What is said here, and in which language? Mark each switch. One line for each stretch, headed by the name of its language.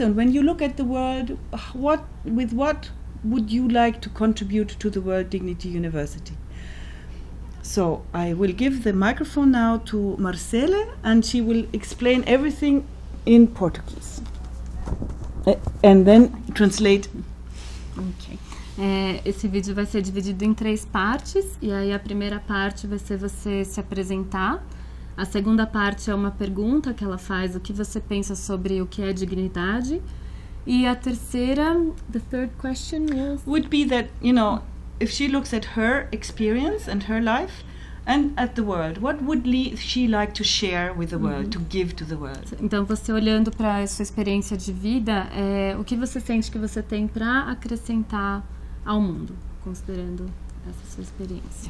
English: And when you look at the world, what would you like to contribute to the World Dignity University? So I will give the microphone now to Marcele, and she will explain everything in Portuguese. And then translate. Okay.
Portuguese: Esse vídeo vai ser dividido em três partes, e aí a primeira parte vai ser você se apresentar. A segunda parte é uma pergunta que ela faz, o que você pensa sobre o que é dignidade. E a terceira,
English: the third question is... Would be that, you know, if she looks at her experience and her life, and at the world, what would she like to share with the world, to give to the world?
Portuguese: Então, você olhando para a sua experiência de vida, o que você sente que você tem para acrescentar ao mundo, considerando essa sua experiência?